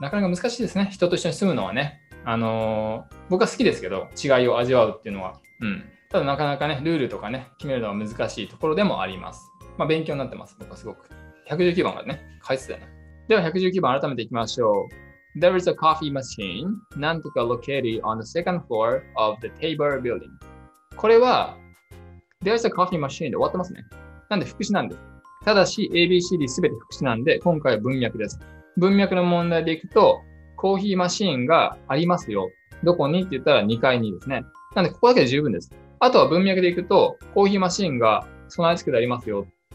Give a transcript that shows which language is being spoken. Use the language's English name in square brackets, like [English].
[Japanese] なかなか難しいですね、人と一緒に住むのはね。僕は好きですけど、違いを味わうっていうのは、うん、ただなかなかねルールとかね決めるのは難しいところでもあります。まあ勉強になってます、僕はすごく。119番がね解説だね。では119番改めていきましょう。 [English] There is a coffee machine [Japanese] なんとか [English] located on the second floor of the Tabor building。 [Japanese] これは [English] There is a coffee machine [Japanese] で終わってますね。なんで副詞なんです。ただし ABCD 全て副詞なんで今回は文脈です。文脈の問題でいくと、コーヒーマシーンがありますよ。どこにって言ったら2階にですね。なんでここだけで十分です。あとは文脈でいくと、コーヒーマシーンが備え付けてありますよ。